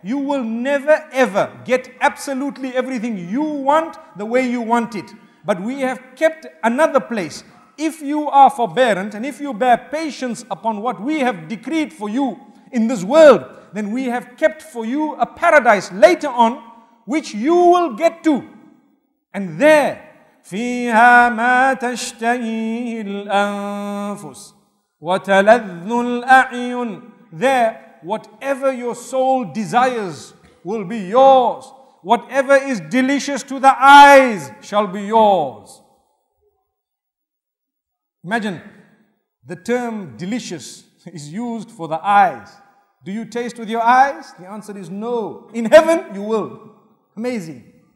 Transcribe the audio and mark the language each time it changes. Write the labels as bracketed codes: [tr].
[en] you will never ever get absolutely everything you want the way you want it. But we have kept another place. If you are forbearant and if you bear patience upon what we have decreed for you in this world, then we have kept for you a paradise later on, which you will get to. And there, [ar] فيها ما تشتهيه الأنفس وتلذ الأعين. [en] There, whatever your soul desires will be yours. Whatever is delicious to the eyes shall be yours. Imagine, the term delicious is used for the eyes. Do you taste with your eyes? The answer is no. In heaven, you will. Amazing.